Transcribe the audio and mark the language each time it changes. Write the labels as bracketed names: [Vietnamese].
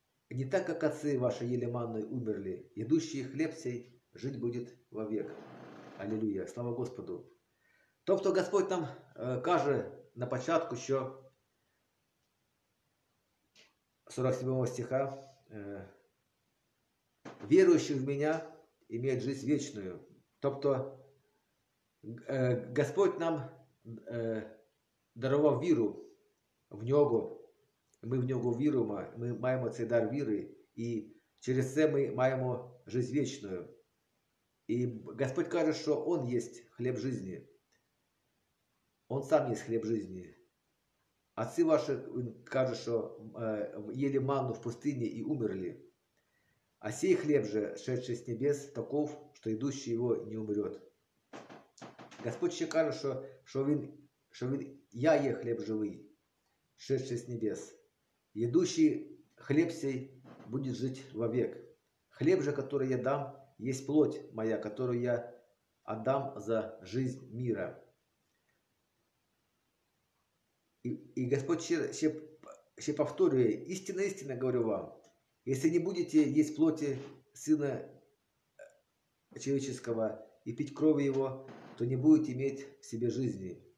[Russian] Не так, как отцы ваши ели манну и умерли. Едущий хлеб сей жить будет вовек. Аллилуйя. Слава Господу. То, что Господь нам [Ukrainian] каже на початку, [Russian] что 47 стиха: верующий в меня имеет жизнь вечную. То, что Господь [Ukrainian] нам даровал віру в Нього, ми в Нього віруємо, ми маємо цей дар віри, і через це ми маємо жизнь вічну. І Господь каже, що Он є хліб житті. Он сам є хліб житті. Отці ваші, Він каже, що їли ману в пустині і умерли. А сей хліб же, шедший з небес, таков, що йдущий його не умрет. Господь ще каже, що Він, я є хліб живий, [Russian] шедший с небес. Едущий хлеб сей будет жить вовек. Хлеб же, который я дам, есть плоть моя, которую я отдам за жизнь мира. И Господь еще повторяет, истинно, истинно говорю вам, если не будете есть плоти Сына Человеческого и пить кровь Его, то не будете иметь в себе жизни.